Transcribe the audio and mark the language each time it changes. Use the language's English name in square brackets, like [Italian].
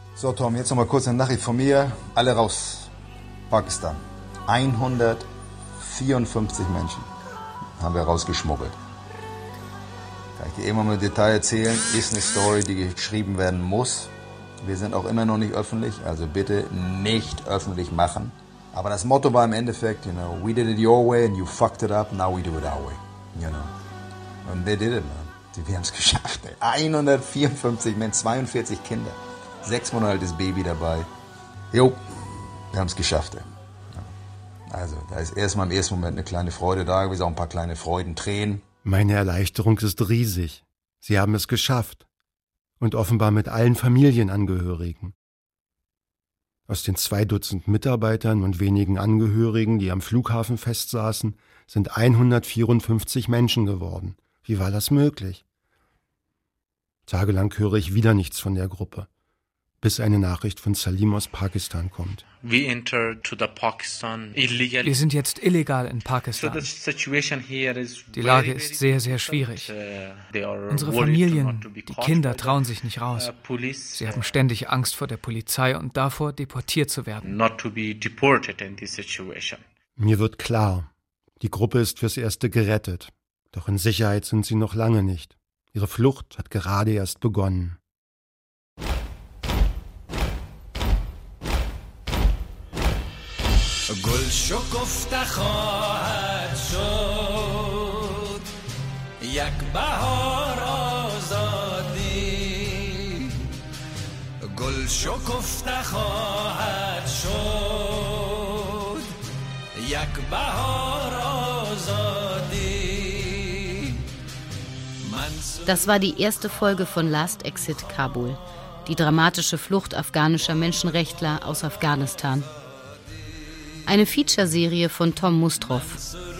[German] So Tom, jetzt nochmal kurz eine Nachricht von mir. Alle raus. Pakistan. 154 Menschen haben wir rausgeschmuggelt. Kann ich dir immer mal Detail erzählen? Ist eine Story, die geschrieben werden muss. Wir sind auch immer noch nicht öffentlich, also bitte nicht öffentlich machen. Aber das Motto war im Endeffekt, [English] you know, we did it your way and you fucked it up, now we do it our way. You know. And they did it, man. [German] Wir haben es geschafft, ey. 154 Menschen, 42 Kinder, 6 Monate altes Baby dabei. Jo, wir haben es geschafft, ey. Also, da ist erstmal im ersten Moment eine kleine Freude da, wie so ein paar kleine Freudentränen. Meine Erleichterung ist riesig. Sie haben es geschafft. Und offenbar mit allen Familienangehörigen. Aus den 2 Dutzend Mitarbeitern und wenigen Angehörigen, die am Flughafen festsaßen, sind 154 Menschen geworden. Wie war das möglich? Tagelang höre ich wieder nichts von der Gruppe, bis eine Nachricht von Salim aus Pakistan kommt. [English] We enter to the Pakistan illegally. [German] Wir sind jetzt illegal in Pakistan. [English] So the situation here is [German] die Lage very, ist sehr, sehr schwierig. Unsere Familien, die Kinder trauen sich nicht raus. Sie haben ständig Angst vor der Polizei und davor, deportiert zu werden. [English] Not to be deported in this situation. [German] Mir wird klar, die Gruppe ist fürs Erste gerettet. Doch in Sicherheit sind sie noch lange nicht. Ihre Flucht hat gerade erst begonnen. [Persian] گل شکفت خواهد شد یک بهار آزادی گل شکفت خواهد شد یک بهار آزادی. [German] Das war die erste Folge von Last Exit Kabul, die dramatische Flucht afghanischer Menschenrechtler aus Afghanistan. Eine Feature-Serie von Tom Mustroff.